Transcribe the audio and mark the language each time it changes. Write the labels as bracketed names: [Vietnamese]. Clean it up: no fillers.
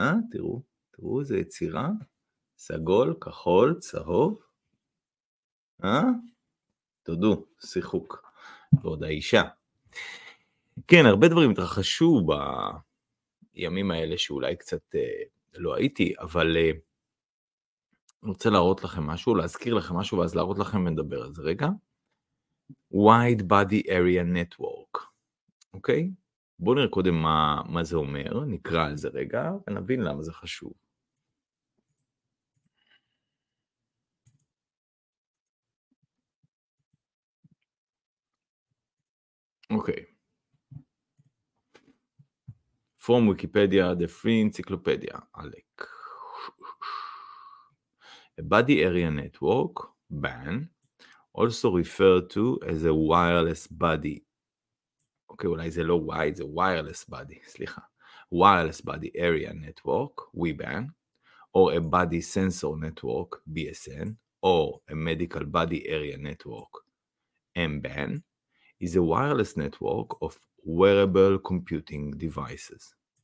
[Hebrew] תראו, תראו איזה יצירה. סגול, כחול, צהוב, תודו, שיחוק, ועוד האישה. כן, הרבה דברים התרחשו בימים האלה שאולי קצת לא הייתי, אבל רוצה להראות לכם משהו, להזכיר לכם משהו, ואז להראות לכם ונדבר על זה רגע. [English] Wide Body Area Network, אוקיי? [Hebrew] בואו נראה קודם מה זה אומר, נקרא על זה רגע, ונבין למה זה חשוב. [English] Okay. From Wikipedia, the free encyclopedia, Alec. A body area network, BAN, also referred to as a wireless body [Hebrew] אוקיי, אולי זה לא וייד, זה ווירלס בדי, סליחה. [English] ווירלס בדי אריה נטוורק, ויבן, או a body sensor network, BSN, או a medical body area network, M-BAN, is a wireless network of wearable computing devices.